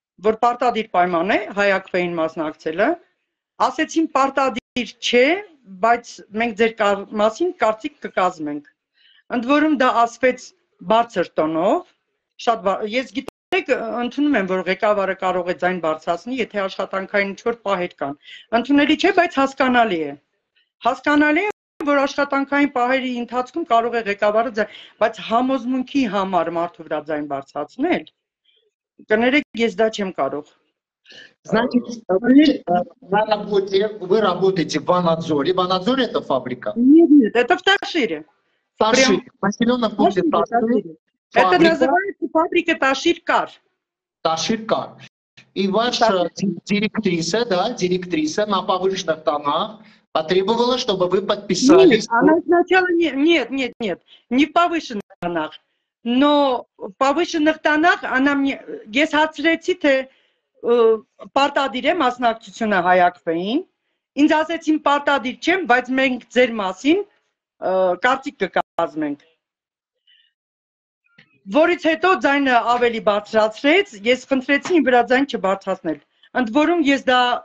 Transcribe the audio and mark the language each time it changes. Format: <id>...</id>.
<hy>որ պարտադիր պայման է հայակվեին մասնակցելը։ Ասեցին պարտադիր չէ, բայց մենք ձեր մասին կարծիք կկազմենք։ Ընդ որում դա ասվեց բարձր տոնով, շատ ես գիտեք, ընդունում եմ, որ ղեկավարը կարող է ձայն բարձրացնի, եթե աշխատանքային ինչ-որ պահեր կան։ Ընդունելի չէ, բայց հասկանալի է։ Հասկանալի է, որ աշխատանքային պահերի ընթացքում կարող է ղեկավարը ձայն, բայց համոզմունքի համար մարդու վրա ձայն բարձրացնել, կներեք, ես դա չեմ կարող։</hy> <ru>Значит, на работе вы работаете в Анадзоре. В Анадзоре это фабрика? Нет, это в Ташире. Поселенном пункте Ташире. Это называется фабрика Ташир-Кар. Ташир-Кар. И ваша директриса, да, директриса на повышенных тонах потребовала, чтобы вы подписались. Нет, она сначала нет, не в повышенных тонах. Но в повышенных тонах она мне.</ru> <hy>Ես հարցրեցի, թե պարտադիր է մասնակցությունը հայակվեին։ Ինձ ասեցին պարտադիր չեմ, բայց մենք ձեր մասին կարծիք կկազմենք։ Որից հետո ձայնը ավելի բարձրացրեց, ես խնդրեցի իր վրա ձայն չբարձրացնել։ Ընդ որում ես դա</hy>